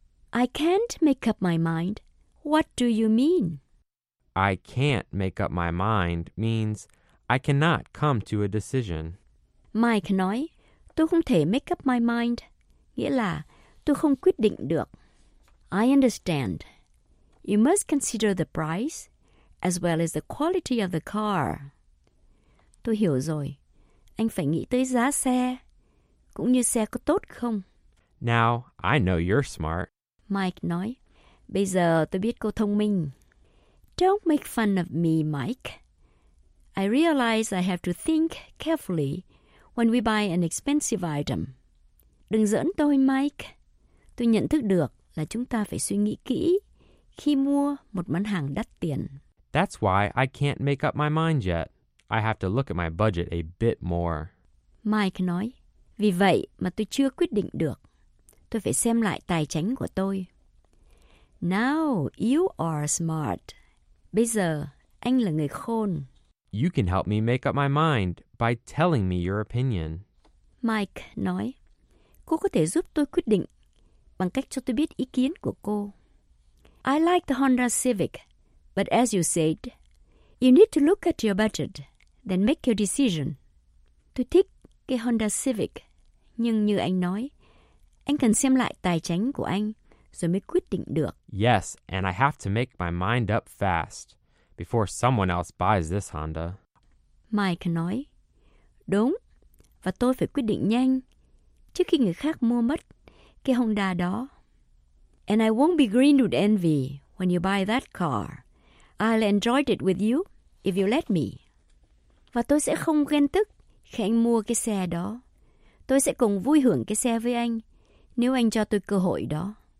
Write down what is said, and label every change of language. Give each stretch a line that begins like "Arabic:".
English: I can't make up my mind. What do you mean? I can't make up my mind means I cannot come to a decision.
Vietnamese: Mike nói, tôi không thể
English: make up my mind,
Vietnamese: nghĩa là tôi không quyết định được.
English: I understand. You must consider the price as well as the quality of the car.
Vietnamese: Tôi hiểu rồi. Anh phải nghĩ tới giá xe, cũng như xe có tốt không.
English: Now, I know you're smart.
Vietnamese: Mike nói, bây giờ tôi biết cô thông minh.
English: Don't make fun of me, Mike. I realize I have to think carefully when we buy an expensive item.
Vietnamese: Đừng giỡn tôi, Mike. Tôi nhận thức được là chúng ta phải suy nghĩ kỹ khi mua một món hàng đắt tiền.
English: That's why I can't make up my mind yet. I have to look at my budget a bit more.
Vietnamese: Mike nói, vì vậy mà tôi chưa quyết định được. Tôi phải xem lại tài chính của tôi.
English: Now you are smart.
Vietnamese: Bây giờ, anh là người khôn.
English: You can help me make up my mind by telling me your opinion.
Vietnamese: Mike nói, cô có thể giúp tôi quyết định bằng cách cho tôi biết ý kiến của cô.
English: I like the Honda Civic, but as you said, you need to look at your budget, then make your decision.
Vietnamese: Tôi thích cái Honda Civic, nhưng như anh nói, anh cần xem lại tài chính của anh. Rồi mới quyết định được.
English: Yes, and I have to make my mind up fast before someone else buys this Honda.
Vietnamese: Mike nói, đúng, và tôi phải quyết định nhanh trước khi người khác mua mất cái Honda đó.
English: And I won't be green with envy when you buy that car. I'll enjoy it with you if you let me.
Vietnamese: Và tôi sẽ không ghen tức khi anh mua cái xe đó. Tôi sẽ cùng vui hưởng cái xe với anh nếu anh cho tôi cơ hội đó.